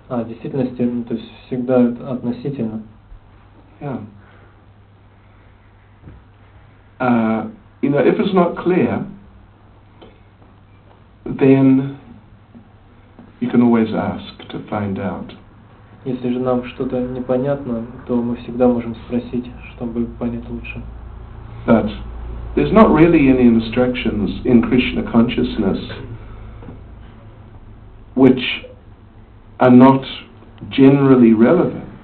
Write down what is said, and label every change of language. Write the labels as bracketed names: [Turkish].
[Russian] В действительности, то есть всегда это относительно. [English] Yeah. You know, if it's not clear, then you can always ask to find out. [Russian] Если же нам что-то непонятно, то мы всегда можем спросить, чтобы понять лучше. [English] But there's not really any instructions in Krishna consciousness which are not generally relevant.